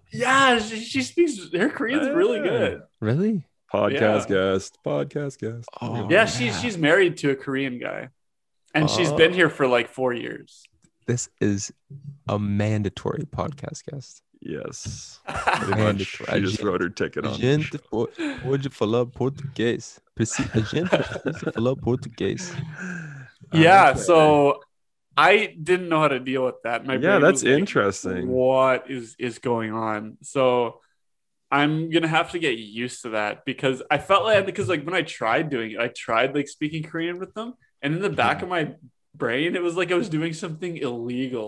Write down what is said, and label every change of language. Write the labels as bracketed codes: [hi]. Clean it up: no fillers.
[en] Yeah, she speaks, her Korean's really good. Really? Podcast guest. Oh, yeah, yeah. She's married to a Korean guy, and she's been here for like 4 years. This is a mandatory podcast guest. Yes. She just wrote her ticket on. [pt] Gente, pode falar português. A gente precisa falar português. [en] Yeah, okay. So I didn't know how to deal with that. That's like, interesting. What is going on? So I'm going to have to get used to that because I felt like, when I tried doing it, I tried like speaking Korean with them, and in the back of my brain, it was like I was doing something illegal.